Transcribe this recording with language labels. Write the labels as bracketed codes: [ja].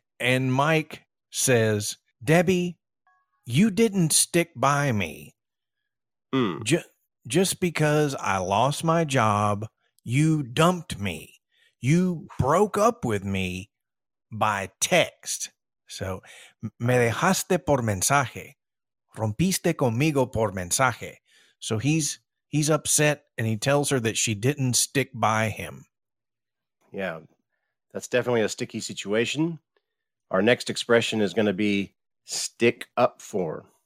[en] And Mike says, Debbie, you didn't stick by me. Mm. Just because I lost my job, you dumped me. You broke up with me by text. [es] So, me dejaste por mensaje. Rompiste conmigo por mensaje. [en] So he's upset and he tells her that she didn't stick by him. Yeah, that's definitely a sticky situation. Our next expression is going to be stick up for.